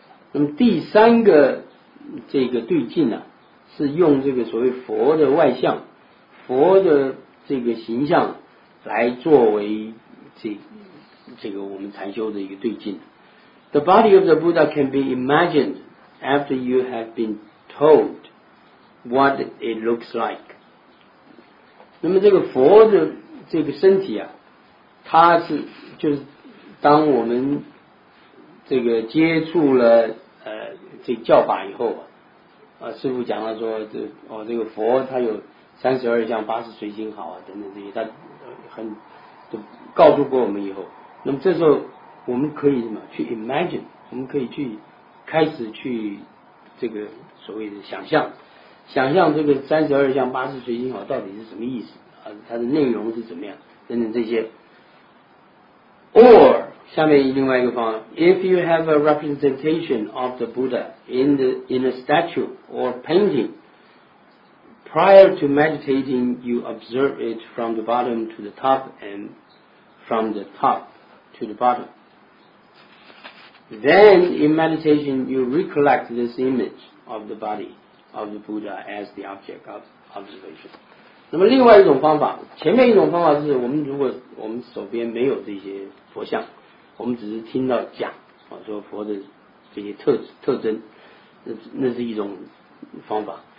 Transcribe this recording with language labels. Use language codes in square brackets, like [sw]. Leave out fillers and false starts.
[zh] 那么第三个这个对境呢、啊，是用这个所谓佛的外相、佛的这个形象来作为这个我们禅修的一个对境。 [en] The body of the Buddha can be imagined after you have been told what it looks like。 [zh] 那么这个佛的这个身体啊，它是就是当我们这个接触了这个教法以后啊，师父讲了说这个佛他有32相80随心好啊等等这些，他很都告诉过我们以后，那么这时候我们可以什么去 [en] imagine， [zh] 我们可以去开始去这个所谓的想象这个32相80随心好到底是什么意思啊，它的内容是怎么样等等这些。 [en] Or [zh] 下面另外一个方案， [en] If you have a representation of the Buddha in a statue or painting, prior to meditating, you observe it from the bottom to the top and from the top to the bottom. Then in meditation, you recollect this image of the body of the Buddha as the object of observation. [zh] 那么另外一种方法，前面一种方法是我们如果我们手边没有这些佛像，我们只是听到讲啊说佛的这些特征，那是一种方法。